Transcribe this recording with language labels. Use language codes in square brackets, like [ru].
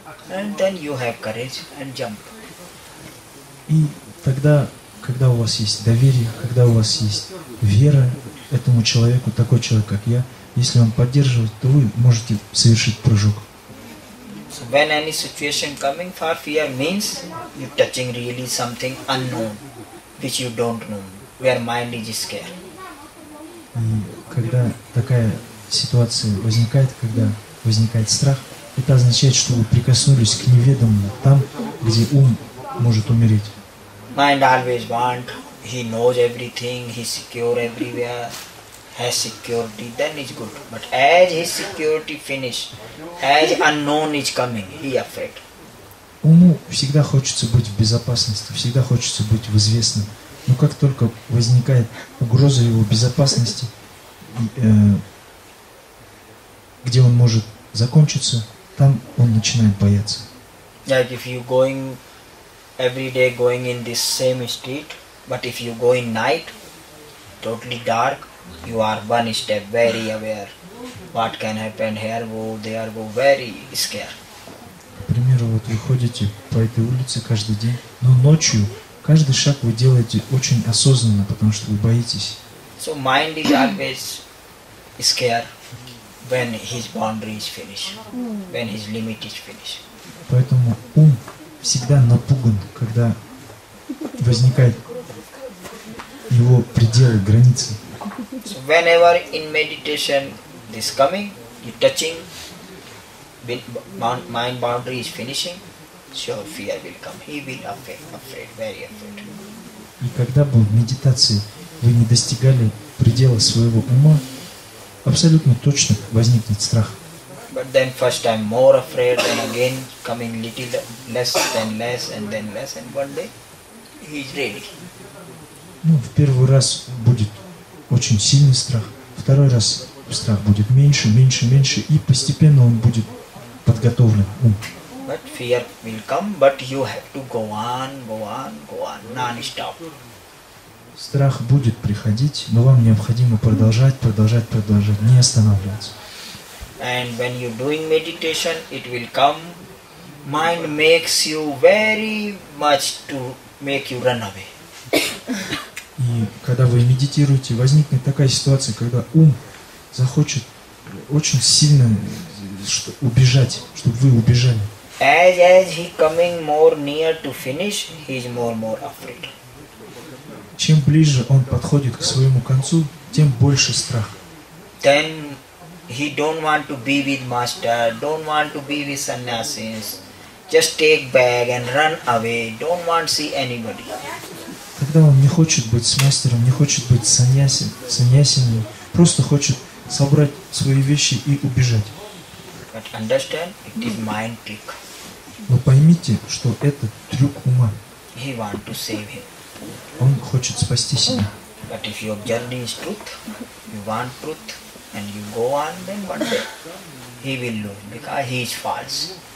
[en] And then you have courage and jump. [ru] И тогда, когда у вас есть доверие, когда у вас есть вера этому человеку, такой человек, как я, если он поддерживает, то вы можете совершить прыжок. [en] So when any situation coming for fear means you touching really something unknown, which you don't know, where mind is scared. [ru] И когда такая ситуация возникает, когда возникает страх, это означает, что вы прикоснулись к неведомому, там, где ум может умереть. [en] Mind always want, he knows everything, he secure everywhere, has security, then is good. But as his security finish, as unknown is coming, he afraid. [ru] Уму всегда хочется быть в безопасности, всегда хочется быть в известном. Но как только возникает угроза его безопасности, где он может закончиться, там он начинает бояться. [en] Like if you going every day going in this same street, but if you go in night, totally dark, you are one step very aware. What can happen here, go there, go very scared. [ru] К примеру, вот вы ходите по этой улице каждый день, но ночью каждый шаг вы делаете очень осознанно, потому что вы боитесь. [en] So mind is always scared when his boundary is finished, when his limit is finished. [ru] Поэтому ум всегда напуган, когда возникает его пределы, границы. [en] So whenever in meditation this coming, you touching, mind boundary is finishing, so fear will come. He will afraid, very afraid. [ru] И когда бы в медитации вы не достигали предела своего ума, абсолютно точно возникнет страх. [en] But then first time more afraid, then again coming little less, and then less, and one day he is ready. [ru] Ну, в первый раз будет очень сильный страх, второй раз страх будет меньше, и постепенно он будет подготовлен. [en] But fear will come, but you have to go on, non-stop. [ru] Страх будет приходить, но вам необходимо продолжать, не останавливаться. [en] And when you doing meditation, it will come. Mind makes you very much to make you run away. [ru] И когда вы медитируете, возникнет такая ситуация, когда ум захочет очень сильно убежать, чтобы вы убежали. [en] As he coming more near to finish, he is more afraid. [ru] Чем ближе он подходит к своему концу, тем больше страх. [en] Then he don't want to be with master, don't want to be with sannyasins. Just take bag and run away. Don't want see anybody. [ru] Когда он не хочет быть с мастером, не хочет быть саньясиной, просто хочет собрать свои вещи и убежать. [en] But understand, it is mind trick. [ru] Но поймите, что это трюк ума. [en] He want to save him. [ru] Он хочет спасти себя. [en] But if your journey is truth, you want truth, and you go on, then one day he will lose, because he is false.